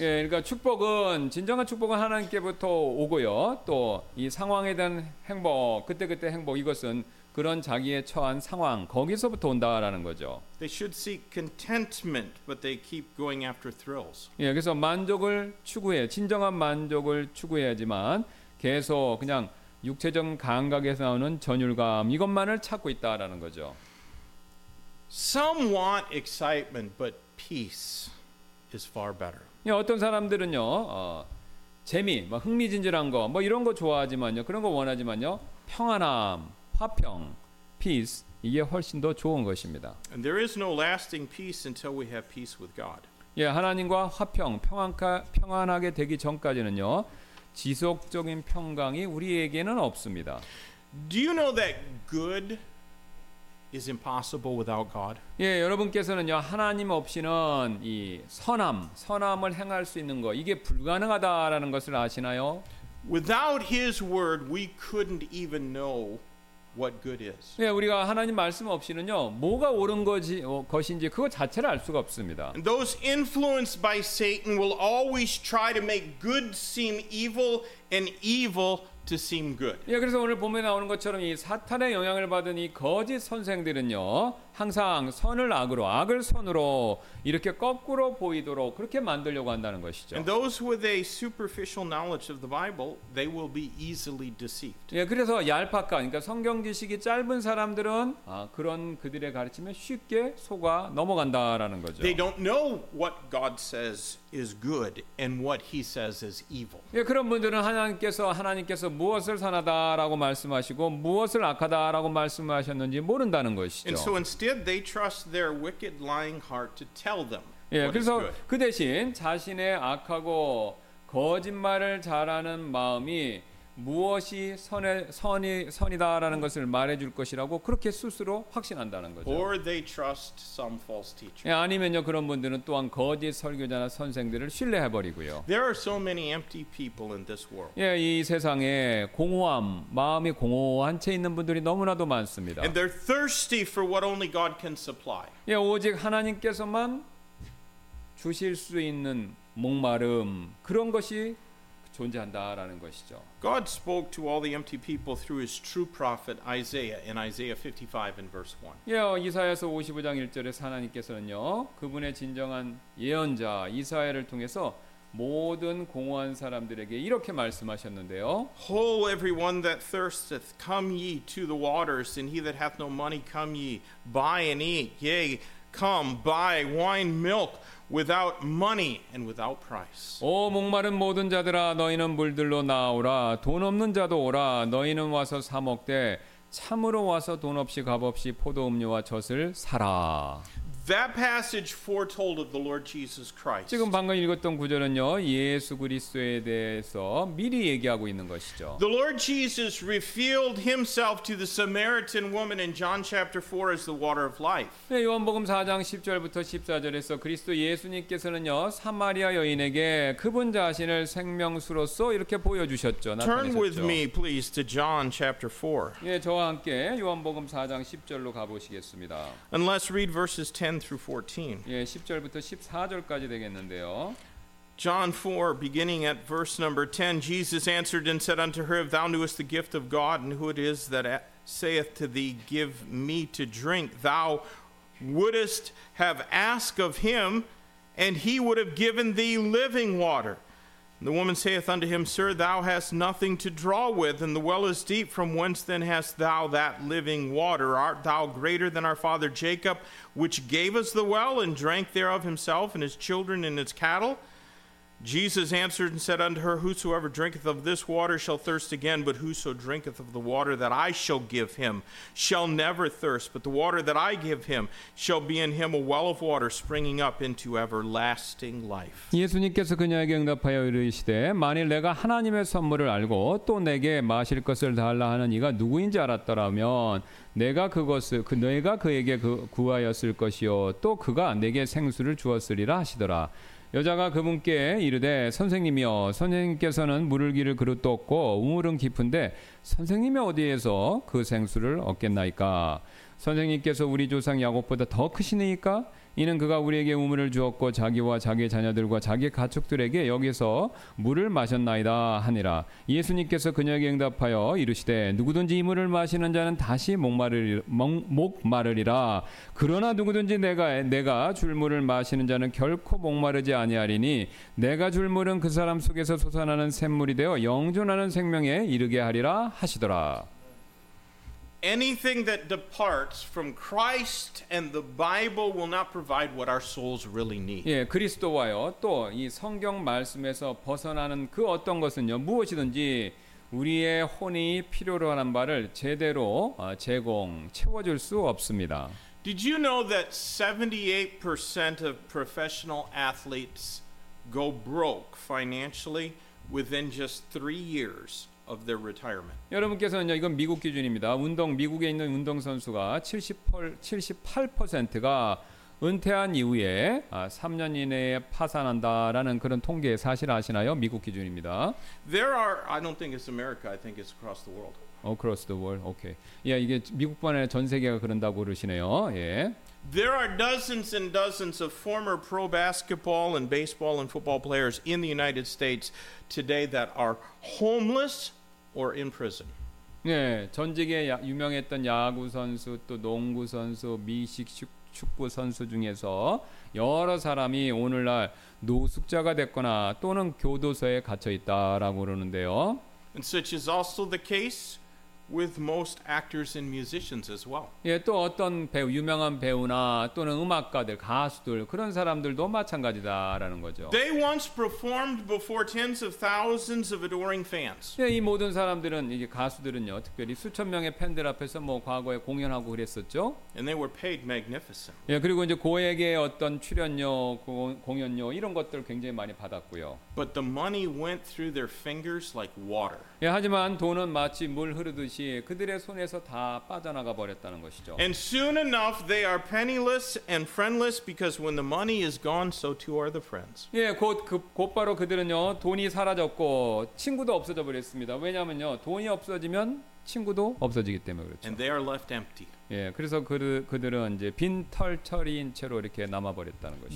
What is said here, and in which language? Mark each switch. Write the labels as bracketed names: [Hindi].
[Korean] 예, 그러니까 축복은 진정한 축복은 하나님께부터 오고요. 또 이 상황에 대한 행복, 그때그때 행복 이것은 그런 자기의 처한 상황 거기서부터 온다라는 거죠. [English] They should seek contentment, but they keep going after thrills. [Korean] 예, 그래서 만족을 추구해 진정한 만족을 추구해야지만 계속 그냥 육체적 감각에서 나오는 전율감 이것만을 찾고 있다라는 거죠. [English] Some want excitement, but peace is far better. [Korean] 예, 어떤 사람들은요, 재미, 뭐 흥미진진한 거, 뭐 이런 거 좋아하지만요, 그런 거 원하지만요, 평안함, 화평, peace 이게 훨씬 더 좋은 것입니다. [English] And there is no lasting peace until we have peace with God. [Korean] 예, 하나님과 화평, 평안하게 되기 전까지는요, 지속적인 평강이 우리에게는 없습니다. [English] Do you know that good is impossible without God. [Korean] 예, 여러분께서는요 하나님 없이는 이 선함을 행할 수 있는 거 이게 불가능하다라는 것을 아시나요? [English] Without His Word, we couldn't even know what good is. [Korean] 예, 우리가 하나님 말씀 없이는요 뭐가 옳은 것인지 그거 자체를 알 수가 없습니다. [English] And those influenced by Satan will always try to make good seem evil and evil. To seem good. [Korean] 예, 그래서 오늘 본문에 나오는 것처럼 이 사탄의 영향을 받은 이 거짓 선생들은요 항상 선을 악으로 악을 선으로 이렇게 거꾸로 보이도록 그렇게 만들려고 한다는 것이죠. [English] And those with a superficial knowledge of the Bible, they will be easily deceived. [Korean] 예, 그래서 얄팍한 그러니까 성경 지식이 짧은 사람들은 그런 그들의 가르침에 쉽게 속아 넘어간다라는 거죠. [English] They don't know what God says is good and what He says is evil. [Korean] 예, 그런 분들은 하나님께서 무엇을 선하다라고 말씀하시고 무엇을 악하다라고 말씀하셨는지 모른다는 것이죠. [English] And so Instead, they trust their wicked, lying heart to tell them what is good. [Korean] 예, 그래서 그 대신 자신의 악하고 거짓말을 잘하는 마음이 무엇이 선이다라는 것을 말해줄 것이라고 그렇게 스스로 확신한다는 거죠. [English] Or they trust some false teacher. [Korean] 예, 아니면요 그런 분들은 또한 거짓 설교자나 선생들을 신뢰해 버리고요. [English] There are so many empty people in this world. [Korean] 예, 이 세상에 공허함 마음이 공허한 채 있는 분들이 너무나도 많습니다. [English] And they're thirsty for what only God can supply. [Korean] 예, 오직 하나님께서만 주실 수 있는 목마름 그런 것이 존재한다라는 것이죠. [English] God spoke to all the empty people through His true prophet Isaiah in Isaiah 55 and verse 1. [Korean] 예, 이사야서 55장 1절에 하나님께서는요 그분의 진정한 예언자 이사야를 통해서 모든 공허한 사람들에게 이렇게 말씀하셨는데요. [English] Ho, everyone that thirsteth, come ye to the waters, and he that hath no money, come ye, buy and eat. Yea, come buy wine, milk without money and without price. [Korean] 오 목마른 모든 자들아 너희는 물들로 나오라 돈 없는 자도 오라 너희는 와서 사 먹되 참으로 와서 돈 없이 값 없이 포도 음료와 젖을 사라. [English] That passage foretold of the Lord Jesus Christ. [Korean] 지금 방금 읽었던 구절은요, 예수 그리스도에 대해서 미리 얘기하고 있는 것이죠. [English] The Lord Jesus revealed himself to the Samaritan woman in John chapter 4 as the water of life. [Korean] 네, 요한복음 4장 10절부터 14절에서 그리스도 예수님께서는요, 사마리아 여인에게 그분 자신을 생명수로서 이렇게 보여주셨죠. [English] Turn with me please to John chapter 4. [Korean] 예, 저와 함께 요한복음 4장 10절로 가보시겠습니다. [English] And let's read verses 10 through 14. [Korean] 예, 10절부터 14절까지 되겠는데요. [English] John 4, beginning at verse number 10, Jesus answered and said unto her, If thou knewest the gift of God, and who it is that saith to thee, Give me to drink, thou wouldest have asked of him, and he would have given thee living water. And the woman saith unto him, Sir, thou hast nothing to draw with, and the well is deep. From whence then hast thou that living water? Art thou greater than our father Jacob, which gave us the well, and drank thereof himself, and his children, and his cattle? Jesus answered and said unto her, Whosoever drinketh of this water shall thirst again, but whoso drinketh of the water that I shall give him shall never thirst, but the water that I give him shall be in him a well of water springing up into everlasting life. [Korean] 예수님께서 그녀에게 응답하여 이르시되 만일 내가 하나님의 선물을 알고 또 내게 마실 것을 달라 하는 이가 누구인지 알았더라면 내가 그것을 너희가 그에게 구하였을 것이요 또 그가 내게 생수를 주었으리라 하시더라. 여자가 그분께 이르되 선생님이여 선생님께서는 물을 기를 그릇도 없고 우물은 깊은데 선생님이 어디에서 그 생수를 얻겠나이까 선생님께서 우리 조상 야곱보다 더 크시니까 이는 그가 우리에게 우물을 주었고 자기와 자기 자녀들과 자기 가축들에게 여기서 물을 마셨나이다 하니라 예수님께서 그녀에게 응답하여 이르시되 누구든지 이 물을 마시는 자는 다시 목마르리라 그러나 누구든지 내가 줄 물을 마시는 자는 결코 목마르지 아니하리니 내가 줄 물은 그 사람 속에서 솟아나는 샘물이 되어 영존하는 생명에 이르게 하리라 하시더라. [English] Anything that departs from Christ and the Bible will not provide what our souls really need. [Korean] 예, 그리스도와요 또 이 성경 말씀에서 벗어나는 그 어떤 것은요 무엇이든지 우리의 혼이 필요로 하는 바를 제대로 제공 채워줄 수 없습니다. [English] Did you know that 78% of professional athletes go broke financially within just 3 years? Of their retirement. [Korean] 여러분께서는요, 이건 미국 기준입니다. 운동 미국에 있는 운동 선수가 78%가 은퇴한 이후에 3년 이내에 파산한다라는 그런 통계 사실 아시나요? 미국 기준입니다. [English] There are, I don't think it's America. I think it's across the world. Across the world. Okay. [Korean] 야, 이게 미국뿐 아니라 전 세계가 그런다고 그러시네요. 예. [English] There are dozens and dozens of former pro basketball and baseball and football players in the United States today that are homeless or in prison. [Korean] 네, 전직에 유명했던 야구 선수 또 농구 선수 미식 축구 선수 중에서 여러 사람이 오늘날 노숙자가 됐거나 또는 교도소에 갇혀 있다라고 그러는데요. [English] And such is also the case with most actors and musicians as well. [Korean] 예, 또 어떤 배우, 유명한 배우나 또는 음악가들, 가수들 그런 사람들도 마찬가지다라는 거죠. [English] They once performed before tens of thousands of adoring fans. [Korean] 예, 이 모든 사람들은 이제 가수들은요, 특별히 수천 명의 팬들 앞에서 뭐 과거에 공연하고 그랬었죠. [English] And they were paid magnificently. [Korean] 예, 그리고 이제 고액의 어떤 출연료, 공연료 이런 것들 굉장히 많이 받았고요. [English] But the money went through their fingers like water. [Korean] 예, 하지만 돈은 마치 물 흐르듯 그들의 손에서 다 빠져나가 버렸다는 것이죠. [English] And soon enough they are penniless and friendless because when the money is gone so too are the friends. [Korean] 예, 곧바로 그들은요. 돈이 사라졌고 친구도 없어져 버렸습니다. 왜냐면요. 돈이 없어지면 친구도 없어지기 때문에 그렇죠. [English] And they are left empty. [Korean] 예, 그래서 그들은 이제 빈털터리인 채로 이렇게 남아 버렸다는 것이죠.